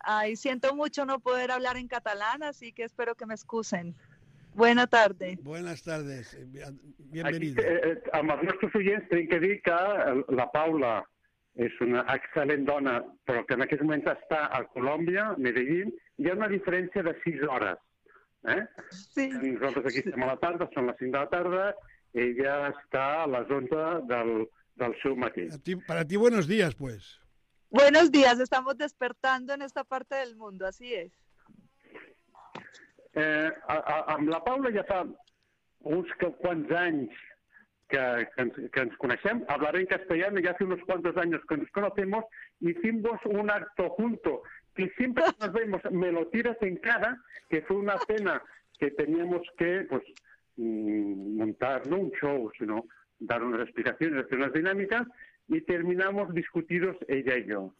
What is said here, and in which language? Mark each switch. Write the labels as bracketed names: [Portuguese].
[Spanish] Ay, siento mucho no poder hablar en catalán, así que espero que me excusen. Buena tarde. Buenas tardes. Bienvenida. [Catalan] Amb els nostres oients tenim que dir que la Paula és una excel·lent dona, però que en aquest moment està a Colòmbia, Medellín. Hi ha una diferència de 6 hores. Sí. Nosaltres aquí estem a la tarda, són les 5 de la tarda, ella està a les 11 del seu matí. [Spanish] Per a ti, buenos días, pues. Buenos días, estamos despertando en esta parte del mundo, así es. [Catalan] Amb la Paula ja fa uns quants anys que ens coneixem. [Spanish] Hablaré en castellano, ya hace unos cuantos años que nos conocemos, hicimos un acto junto, que siempre nos vemos, me lo tiras en cara, que fue una cena que teníamos que montar, no un show, sino dar unas explicaciones, hacer unas dinámicas, y terminamos discutidos ella y yo.